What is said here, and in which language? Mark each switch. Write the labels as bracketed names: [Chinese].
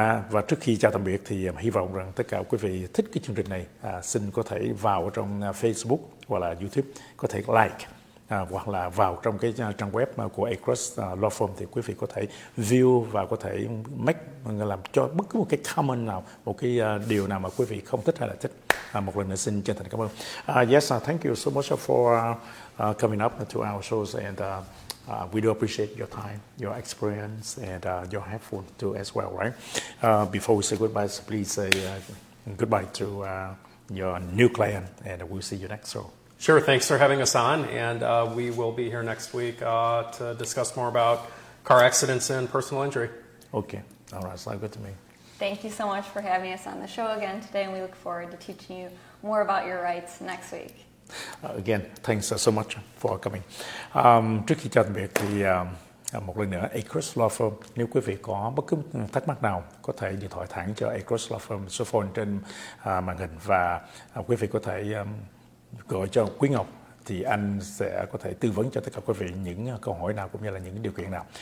[Vietnamese] Và trước khi chào tạm biệt thì hy vọng rằng tất cả quý vị thích cái chương trình này, xin có thể vào trong Facebook hoặc là YouTube, có thể like hoặc là vào trong cái trang web của Agruss Law Firm, thì quý vị có thể view và có thể make, làm cho bất cứ một cái comment nào, một cái điều nào mà quý vị không thích hay là thích. Một lần nữa xin chân thành cảm ơn. [English] Yes, thank you so much for coming up to our shows, and we do appreciate your time, your experience, and your helpful too as well, right? Before we say goodbye, please say goodbye to your new client, and we'll see you next show. Sure, thanks for having us on, and we will be here next week to discuss more about car accidents and personal injury. Okay, all right, sounds good to me. Thank you so much for having us on the show again today, and we look forward to teaching you more about your rights next week. Again, thanks so much for coming. [Vietnamese] Trước khi chào tạm biệt thì một lần nữa, Agruss Law Firm, nếu quý vị có bất cứ thắc mắc nào, có thể điện thoại thẳng cho Agruss Law Firm, số phone trên màn hình, và quý vị có thể gọi cho Quý Ngọc, thì anh sẽ có thể tư vấn cho tất cả quý vị những câu hỏi nào cũng như là những điều kiện nào.